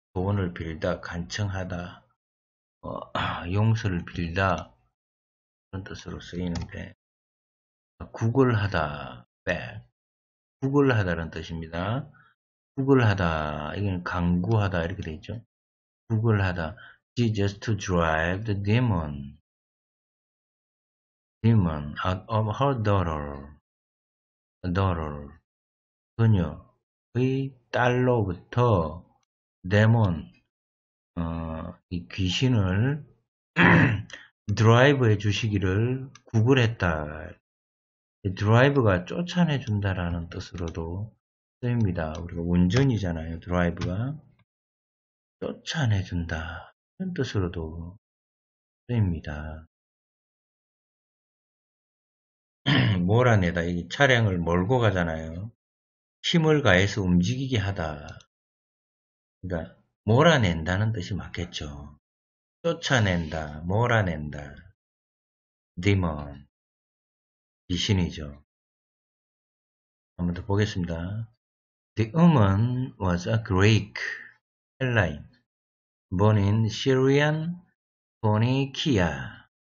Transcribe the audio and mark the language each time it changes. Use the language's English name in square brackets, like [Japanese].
[Korean] 돈을 빌다, 간청하다, 용서를 빌다. 그런 뜻으로 쓰이는데, 구걸하다, beg. 구걸하다라는 뜻입니다. 구걸하다, 이건 간구하다, 이렇게 되어있죠. 구걸하다. [English] She just to drive the demon out of her daughter. [Korean] 그녀의 딸로부터 demon, 이 귀신을 drive 해 주시기를 구걸했다. drive가 쫓아내 준다라는 뜻으로도 쓰입니다. 우리가 운전이잖아요. drive가. 쫓아내준다. 이런 뜻으로도 쓰입니다. 몰아내다. 이 차량을 몰고 가잖아요. 힘을 가해서 움직이게 하다. 그러니까, 몰아낸다는 뜻이 맞겠죠. 쫓아낸다. 몰아낸다. demon. 귀신이죠. 한번 더 보겠습니다. [English] The woman was a Greek, Hellene, born in Syrian Phoenicia.